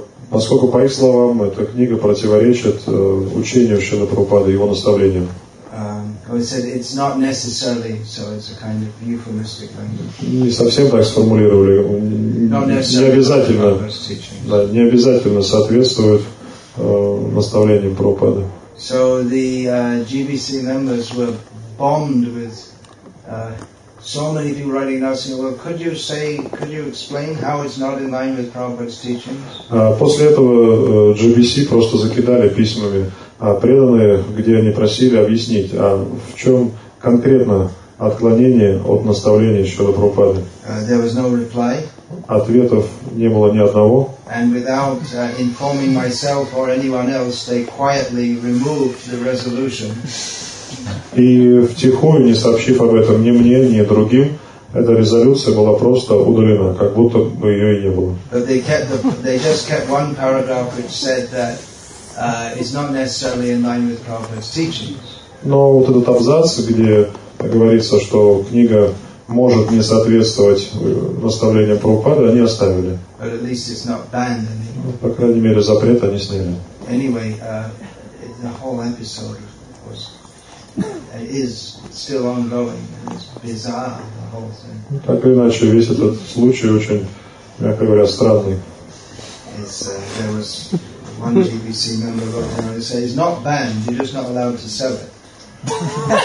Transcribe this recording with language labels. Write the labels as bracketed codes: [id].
[ru] Поскольку, по их словам, эта книга противоречит учению Шрилы Прабхупады и его наставлениям. [en] They said it's not necessarily, so it's a kind of euphemistic language. [ru] Не совсем так сформулировали. Не обязательно. Да, не обязательно соответствует наставлением Прабхупады. [en] So the GBC members were bombed with so many people writing now saying, well, could you explain how it's not in line with Prabhupada's teachings? [ru] После этого GBC просто закидали письмами преданные, где они просили объяснить, а в чем конкретно отклонение от наставления Шрилы Прабхупады. [en] There was no reply. [ru] Ответов не было ни одного. [en] And without informing myself or anyone else, they quietly removed the resolution. [ru] И втихую, не сообщив об этом ни мне, ни другим, эта резолюция была просто удалена, как будто бы ее и не было. [en] But they just kept one paragraph which said that it's not necessarily in line with Prabhupada's teachings. [ru] Но вот этот абзац, где говорится, что книга может не соответствовать наставлениям Прабхупады, они оставили. [en] But at least it's not banned anymore. [ru] Ну, по крайней мере, запрет они сняли. [en] Anyway, the whole episode was is still ongoing. It's bizarre, the whole thing. [ru] Ну, так или иначе, весь этот случай очень, мягко говоря, странный. [en] There was one GBC member wrote down and said, it's not banned, you're just not allowed to sell it.